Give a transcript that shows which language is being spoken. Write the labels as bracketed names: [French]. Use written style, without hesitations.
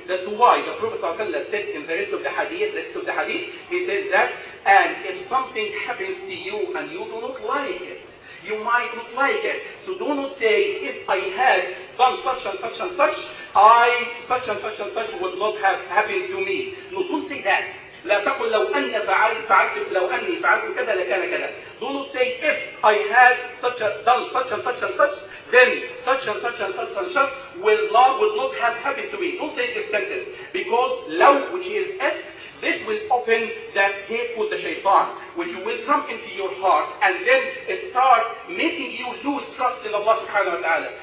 [English] That's why the Prophet ﷺ said in the rest of the hadith, he says that, and if something happens to you and you do not like it, you might not like it. So do not say, if I had done such and such and such, I such and such and such would not have happened to me. No, don't say that. [Arabic] لا تقل لو أن فعلت لو أني فعلت كذا لكان كذا. [English] Do not say if I had done such and such, then such and such will not have happened to me. Don't say this sentence, because لو, which is if, this will open that gate for the shaitan, which will come into your heart and then start making you lose trust in Allah subhanahu wa ta'ala.